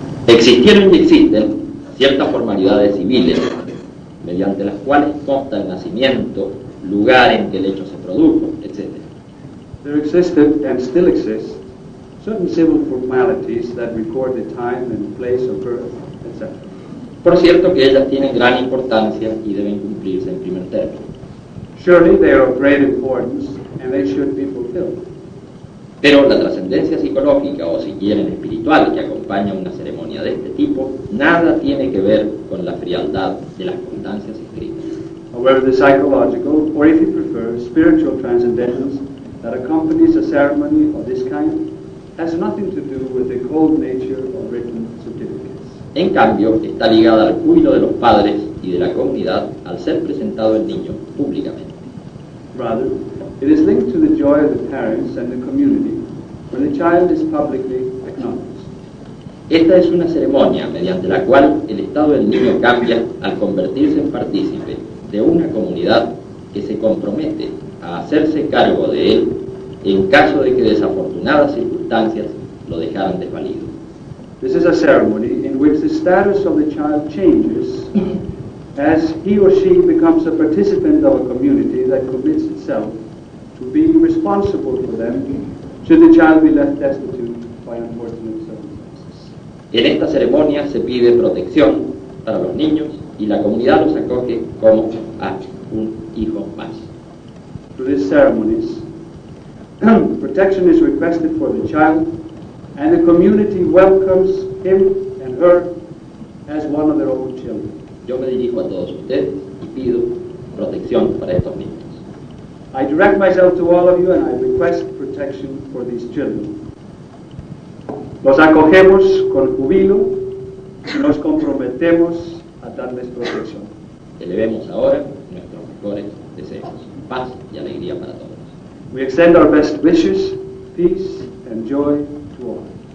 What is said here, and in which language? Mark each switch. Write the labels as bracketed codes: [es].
[es] Existieron y existen ciertas formalidades civiles mediante las cuales consta el nacimiento, lugar en que el hecho se produjo, etc. [en] There existed and still exist certain civil formalities that record the time and place of birth, etc. [es] Por cierto que ellas tienen gran importancia y deben cumplirse en primer término. [en] Surely they are of great importance and they should be fulfilled. [es] Pero la trascendencia psicológica o si quieren espiritual que acompaña una ceremonia de este tipo nada tiene que ver con la frialdad de las constancias escritas. [en] However, the psychological or if you prefer spiritual transcendence that accompanies a ceremony of this kind has nothing to do with the cold nature of written certificates. [es] En cambio, está ligada al cuidado de los padres y de la comunidad al ser presentado el niño públicamente. [en] Rather, it is linked to the joy of the parents and the community when the child is publicly acknowledged. [es] Esta es una ceremonia mediante la cual el estado del niño cambia al convertirse en partícipe de una comunidad que se compromete a hacerse cargo de él en caso de que desafortunadas circunstancias lo dejaran desvalido. [en] This is a ceremony in which the status of the child changes as he or she becomes a participant of a community that commits itself to be responsible for them should the child be left destitute by unfortunate circumstances. [es] En esta ceremonia se pide protección para los niños y la comunidad los acoge como a un hijo más. [en] Through these ceremonies, protection is requested for the child and the community welcomes him and her as one of their own children. [es] Yo me dirijo a todos ustedes y pido protección para estos niños. [en] I direct myself to all of you and I request protection for these children. [es] Los acogemos con júbilo y nos comprometemos a darles protección. Elevemos ahora nuestros mejores deseos, paz y alegría para todos. [en] We extend our best wishes, peace and joy to all.